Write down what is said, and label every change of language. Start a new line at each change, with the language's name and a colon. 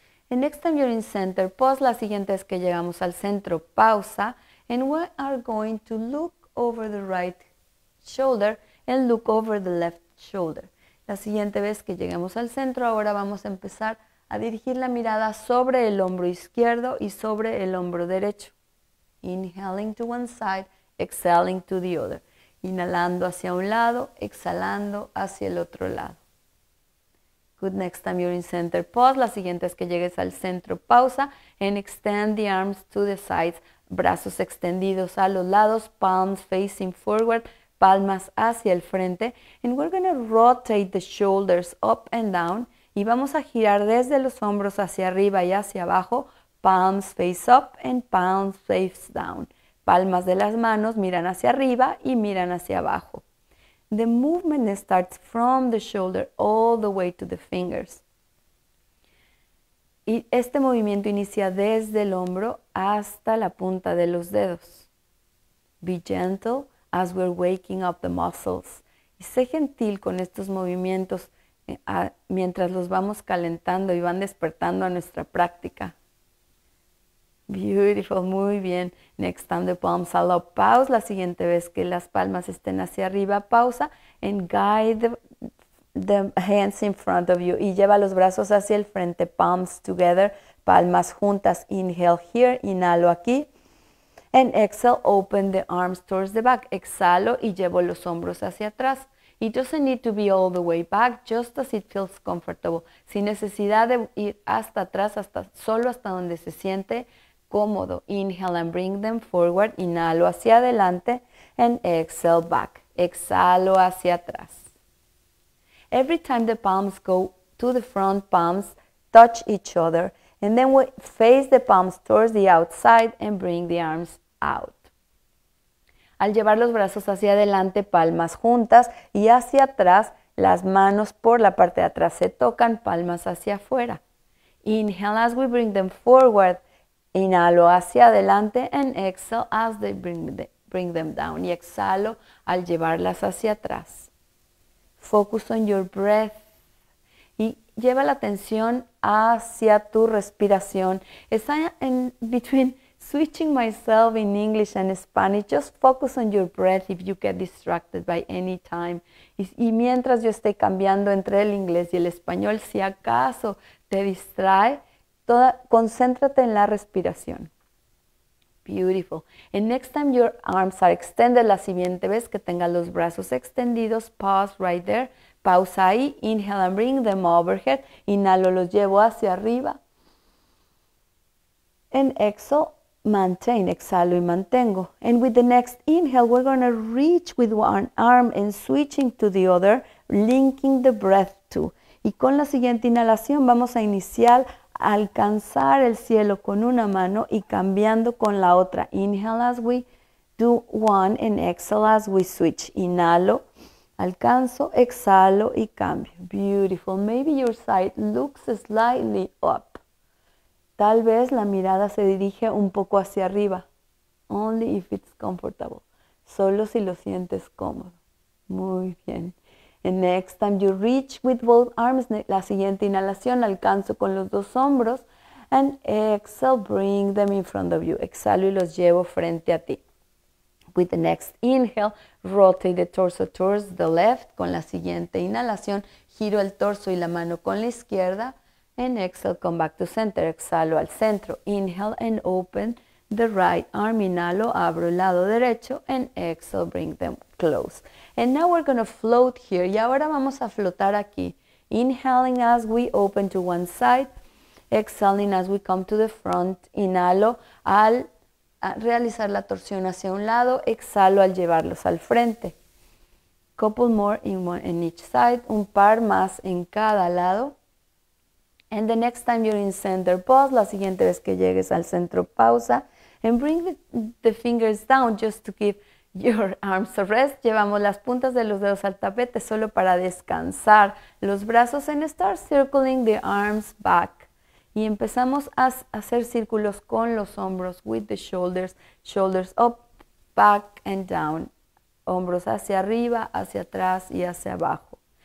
English: And next time you're in center pose,
Spanish: la siguiente es que llegamos al centro, pausa,
English: and we are going to look over the right shoulder and look over the left shoulder.
Spanish: La siguiente vez que lleguemos al centro, ahora vamos a empezar a dirigir la mirada sobre el hombro izquierdo y sobre el hombro derecho.
English: Inhaling to one side, exhaling to the other.
Spanish: Inhalando hacia un lado, exhalando hacia el otro lado.
English: Good, next time you're in center pose.
Spanish: La siguiente vez que llegues al centro, pausa.
English: And extend the arms to the sides.
Spanish: Brazos extendidos a los lados,
English: palms facing forward.
Spanish: Palmas hacia el frente,
English: and we're going to rotate the shoulders up and down,
Spanish: y vamos a girar desde los hombros hacia arriba y hacia abajo,
English: palms face up and palms face down.
Spanish: Palmas de las manos miran hacia arriba y miran hacia abajo.
English: The movement starts from the shoulder all the way to the fingers.
Spanish: Y este movimiento inicia desde el hombro hasta la punta de los dedos.
English: Be gentle as we're waking up the muscles.
Spanish: Y sé gentil con estos movimientos mientras los vamos calentando y van despertando a nuestra práctica.
English: Beautiful,
Spanish: muy bien.
English: Next time the palms are low, pause.
Spanish: La siguiente vez que las palmas estén hacia arriba, pausa.
English: And guide the hands in front of you.
Spanish: Y lleva los brazos hacia el frente,
English: palms together,
Spanish: palmas juntas.
English: Inhale here,
Spanish: inhalo aquí.
English: And exhale, open the arms towards the back.
Spanish: Exhalo y llevo los hombros hacia atrás.
English: It doesn't need to be all the way back, just as it feels comfortable.
Spanish: Sin necesidad de ir hasta atrás, solo hasta donde se siente cómodo.
English: Inhale and bring them forward.
Spanish: Inhalo hacia adelante.
English: And exhale back.
Spanish: Exhalo hacia atrás.
English: Every time the palms go to the front, palms touch each other. And then we face the palms towards the outside and bring the arms out.
Spanish: Al llevar los brazos hacia adelante, palmas juntas, y hacia atrás, las manos por la parte de atrás se tocan, palmas hacia afuera.
English: Inhale as we bring them forward,
Spanish: inhalo hacia adelante,
English: and exhale as they bring them down.
Spanish: Y exhalo al llevarlas hacia atrás.
English: Focus on your breath.
Spanish: y lleva la atención hacia tu respiración.
English: As I am in between switching myself in English and Spanish, just focus on your breath if you get distracted by any time.
Spanish: Y mientras yo esté cambiando entre el inglés y el español, si acaso te distrae, concéntrate en la respiración.
English: Beautiful. And next time your arms are extended,
Spanish: la siguiente vez que tengas los brazos extendidos,
English: pause right there.
Spanish: Pausa ahí.
English: Inhale and bring them overhead.
Spanish: Inhalo, los llevo hacia arriba.
English: And exhale, maintain.
Spanish: Exhalo y mantengo.
English: And with the next inhale, we're going to reach with one arm and switching to the other, linking the breath to.
Spanish: Y con la siguiente inhalación vamos a iniciar alcanzar el cielo con una mano y cambiando con la otra.
English: Inhale as we do one and exhale as we switch.
Spanish: Inhalo, alcanzo, exhalo y cambio. Beautiful.
English: Maybe your sight looks slightly up.
Spanish: Tal vez la mirada se dirige un poco hacia arriba.
English: Only if it's comfortable.
Spanish: Solo si lo sientes cómodo. Muy bien.
English: And next time you reach with both arms,
Spanish: la siguiente inhalación, alcanzo con los dos hombros.
English: And exhale, bring them in front of you.
Spanish: Exhalo y los llevo frente a ti.
English: With the next inhale, rotate the torso towards the left.
Spanish: Con la siguiente inhalación, giro el torso y la mano con la izquierda.
English: And exhale, come back to center.
Spanish: Exhalo al centro.
English: Inhale and open the right arm.
Spanish: Inhalo, abro el lado derecho.
English: And exhale, bring them close. And now we're going to float here.
Spanish: Y ahora vamos a flotar aquí.
English: Inhaling as we open to one side. Exhaling as we come to the front.
Spanish: Inhalo al realizar la torsión hacia un lado. Exhalo al llevarlos al frente.
English: Couple more in each side.
Spanish: Un par más en cada lado.
English: And the next time you're in center, pause.
Spanish: La siguiente vez que llegues al centro, pausa.
English: And bring the fingers down just to give your arms a rest.
Spanish: Llevamos las puntas de los dedos al tapete solo para descansar los brazos.
English: And start circling the arms back.
Spanish: Y empezamos a hacer círculos con los hombros,
English: with the shoulders. Shoulders up, back and down.
Spanish: Hombros hacia arriba, hacia atrás y hacia abajo.